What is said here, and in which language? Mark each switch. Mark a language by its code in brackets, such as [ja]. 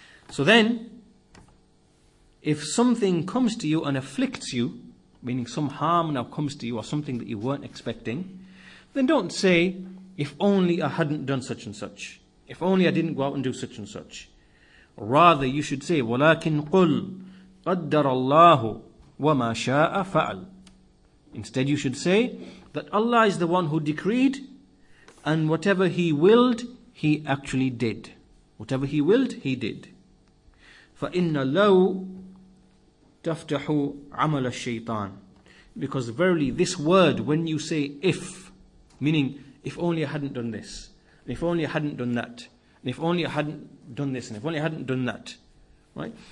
[en] So then, if something comes to you and afflicts you, meaning some harm now comes to you or something that you weren't expecting, then don't say, if only I hadn't done such and such. If only I didn't go out and do such and such. Rather, you should say, [ar] وَلَكِنْ قُلْ قَدَّرَ اللَّهُ وَمَا شَاءَ فَعَلْ. [en] Instead, you should say that Allah is the one who decreed, and whatever He willed, He actually did. Whatever He willed, He did. [ar] فَإِنَّ لَوْ تَفْتَحُ عَمَلَ الشَّيْطَانِ. [en] Because verily, this word, when you say if, meaning if only I hadn't done this, and if only I hadn't done that, and if only I hadn't done this, and if only I hadn't done that, right?